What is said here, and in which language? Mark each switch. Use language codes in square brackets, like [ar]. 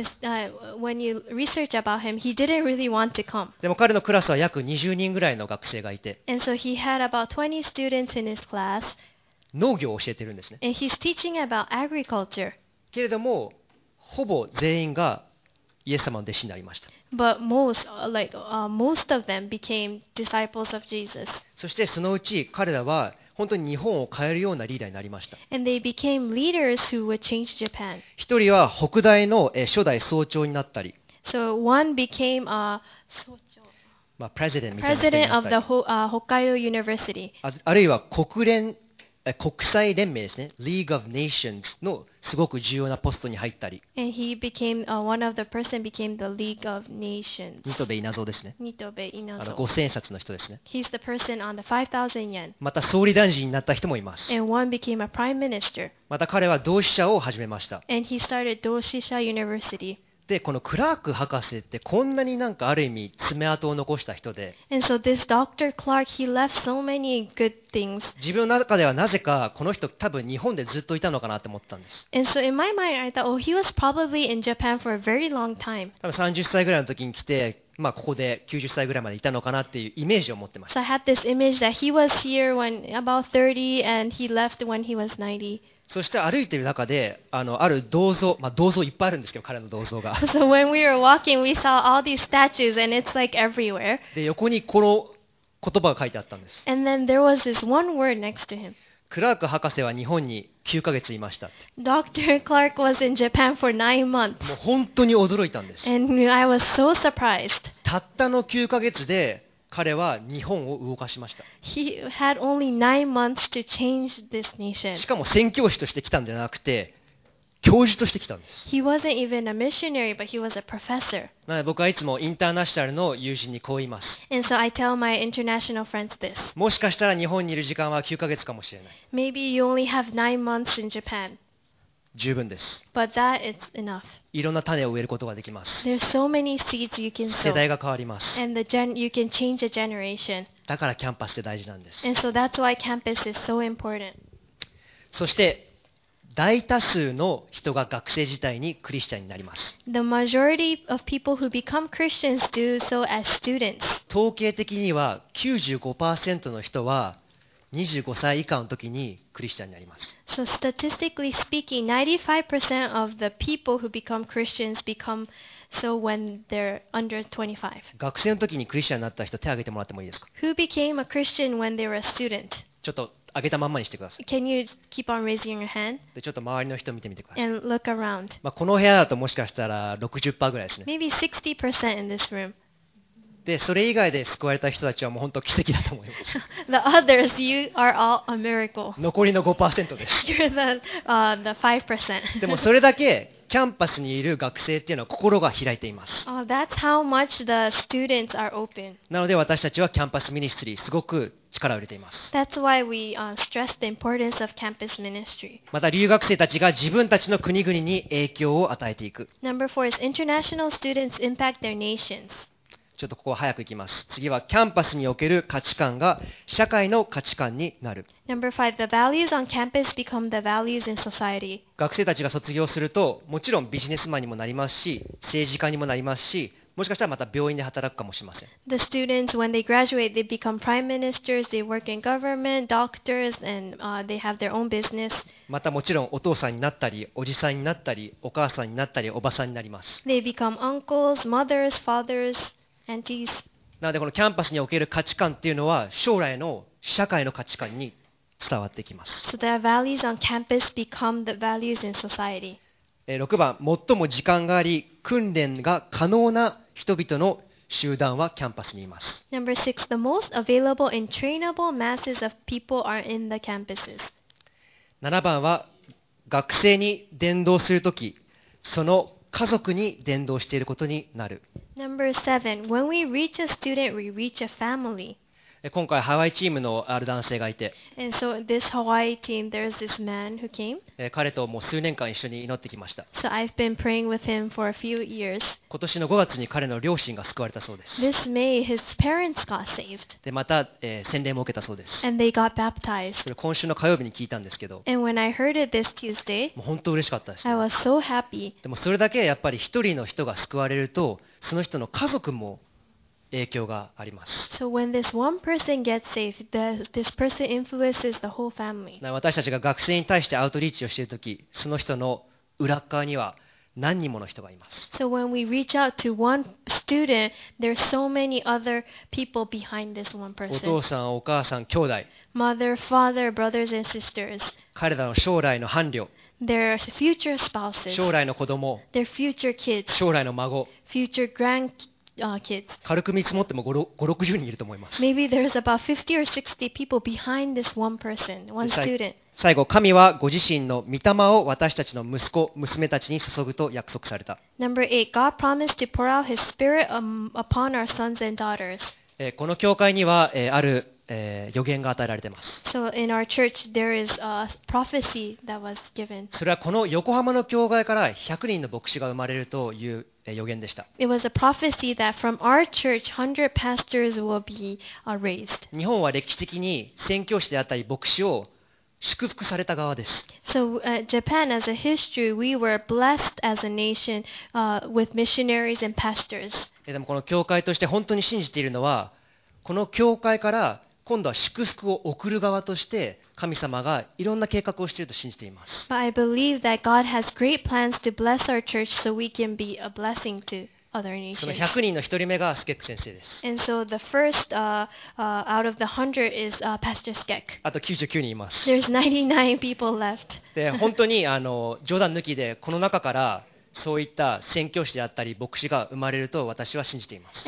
[en] When you research about him, he didn't really want to come. [ja] でも彼のクラスは約20人ぐらいの学生がいて。 [en] And so he had about 20 students in his class. [ja] 農業を教えてるんですね。 [en] And he's teaching about agriculture. [ja] けれどもほぼ全員がイエス様の弟子になりました。 [en] But most, like, most of them became disciples of Jesus. [ja] そしてそのうち彼らは本当に日本を変えるようなリーダーになりました。 [en] And they became leaders who would change Japan. [ja] 一人は北大の初代総長になったり。 [en] So one became a 総長。 [ja] まあ president みたいな人になったり。 [en] President of the Hokkaido University. [ja] あるいは国連国際連盟ですね、League of Nations のすごく重要なポストに入ったり。 [en] And he became, one of the person became the League of Nations. [ja] 新渡戸稲造ですね。新渡戸稲造。五千円札の人ですね。 [en] He's the person on the 5,000 yen. [ja] また総理大臣になった人もいます。 [en] And one became a prime minister. [ja] また彼は同志社を始めました。 [en] And he started 同志社 University. [ja] でこのクラーク博士ってこんなになんかある意味爪痕を残した人で、 [en] so、Dr. Clark, he left so many good things. [ja] 自分の中ではなぜかこの人多分日本でずっといたのかなって思ったんです。 [en] そう、in my mind, I thought, oh, he was probably in Japan for a very long time. [ja] 多分30歳ぐらいの時に来て、まあ、ここで90歳ぐらいまでいたのかなっていうイメージを持ってました。 [en] So I had this image that he was here when about 30 and he left when he was 90. [ja] そして歩いている中で ある銅像、まあ、銅像いっぱいあるんですけど、彼の銅像が。 [en] So when we were walking, we saw all these statues and it's like everywhere. [ja] で、横にこの言葉が書いてあったんです。 [en] And then there was this one word next to him. [ja] クラーク博士は日本に9ヶ月いましたって。 [en] Dr. Clark was in Japan for 9 months. [ja] もう本当に驚いたんです。 [en] And I was so surprised. [ja] たったの9ヶ月で彼は日本を動かしました。 [en] He had only nine months to change this nation. [ja] しかも宣教師として来たんじゃなくて、教授として来たんです。 [en] He wasn't even a missionary, but he was a professor. [ja] なので僕はいつもインターナショナルの友人にこう言います。 [en] And so I tell my international friends this. [ja] もしかしたら日本にいる時間は9ヶ月かもしれない。 [en] Maybe you only have nine months in Japan. [ja] 十分です。 [en] But that is enough. [ja] いろんな種を植えることができます。 [en] There's so many seeds you can sow. [ja] 世代が変わります。 [en] And the gen, you can change a generation. [ja] だからキャンパスって大事なんです。 [en] And so that's why campus is so important. [ja] そして大多数の人が学生時代にクリスチャンになります。 [en] The majority of people who become Christians do so as students. [ja] 統計的には 95% の人は25歳以下の時にクリスチャンになります。 [en] So statistically speaking, 95% of the people who become Christians become so when they're under 25. [ja] 学生の時にクリスチャンになった人手を挙げてもらってもいいですか [en] ？Who became a Christian when they were a student? [ja] ちょっと挙げたまんまにしてください。 [en] Can you keep on raising your hand? [ja] でちょっと周りの人見てみてください。 [en] And look around. [ja] まあこの部屋だともしかしたら 60% ぐらいですね。 [en] Maybe 60% in this room. [ja] でそれ以外で救われた人たちはもう本当奇跡だと思います。 [en] The others, you are all a miracle. [ja] 残りの 5% です。 [en] You're the, the 5%. [ja] でもそれだけキャンパスにいる学生っていうのは心が開いています。 [en] That's how much the students are open. [ja] なので私たちはキャンパスミニストリーすごく力を入れています。 [en] That's why we, stress the importance of campus ministry. [ja] また留学生たちが自分たちの国々に影響を与えていく。 [en] Number four is international students impact their nations. [ja] ちょっとここは早く行きます。次はキャンパスにおける価値観が社会の価値観になる。 [en] Number five, the values on campus become the values in society. [ja] 学生たちが卒業するともちろんビジネスマンにもなりますし、政治家にもなりますし、もしかしたらまた病院で働くかもしれません。 [en] The students, when they graduate, they become prime ministers, they work in government, doctors, and, they have their own business. [ja] またもちろんお父さんになったり、おじさんになったり、お母さんになったり、おばさんになります。 [en] They become uncles, mothers, fathers,Aunties. [ja] なのでこのキャンパスにおける価値観っていうのは将来の社会の価値観に伝わってきます。 [en] So the values on campus become the values in society. [ja] 6番、最も時間があり訓練が可能な人々の集団はキャンパスにいます。 [en] Number six, the most available and trainable masses of people are in the campuses. [ja] 7番は学生に伝道するとき、その家族に伝道していることになる。 [en] Number seven, when we reach a student, we reach a family. [ja] 今回ハワイチームのある男性がいて、 [en] And so this Hawaii team, there's this man who came. [ja] 彼ともう数年間一緒に祈ってきました。 [en] So I've been praying with him for a few years. [ja] 今年の5月に彼の両親が救われたそうです。 [en] This May, his parents got saved. [ja] でまた、洗礼も受けたそうです。 [en] And they got baptized. [ja] それ今週の火曜日に聞いたんですけど、 [en] And when I heard it this Tuesday, [ja] もう本当嬉しかったです、 [en] ね。I was so happy. [ja] でもそれだけやっぱり一人の人が救われると、その人の家族も影響があります。 [en] So when this one person gets saved, this person influences the whole family. [ja] 私たちが学生に対してアウトリーチをしているとき、その人の裏側には何人もの人がいます。 [en] So when we reach out to one student, there's so many other people behind this one person. [ja] お父さん、お母さん、兄弟。 [en] Mother, father, brothers and sisters. [ja] 彼らの将来の伴侶。 [en] Their future spouses, [ja] 将来の子供、 [en] their future kids, [ja] 将来の孫、 [en] future grand, kids. [ja] 軽く見積もっても5、60人いると思います。 [en] Maybe there's about 50 or 60 people behind this one person, one student. [ja] 最後、神はご自身の御霊を私たちの息子、娘たちに注ぐと約束された。 [en] Number eight, God promised to pour out His Spirit upon our sons and daughters. [ja] この教会には、ある予言が与えられています。 [en] So in our church, there is a prophecy that was given. [ja] それはこの横浜の教会から100人の牧師が生まれるという予言でした。 [en] It was a prophecy that from our church, 100 pastors will be raised. [ja] 日本は歴史的に宣教師であったり牧師を祝福された側です。 [en] So, Japan, as a history, we were blessed as a nation, with missionaries and pastors. [ja] でもこの教会として本当に信じているのは、この教会から今度は祝福を送る側として神様がいろんな計画をしていると信じています。 [en] But I believe that God has great plans to bless our church so we can be a blessing to other nations. [ja] その100人の1人目がスケック先生です。 [en] And so the first out of the 100 is Pastor Skek. [ja] あと99人います。 [en] There's 99 people left. [ja] で本当に冗談抜きでこの中からそういった宣教師であったり牧師が生まれると私は信じています。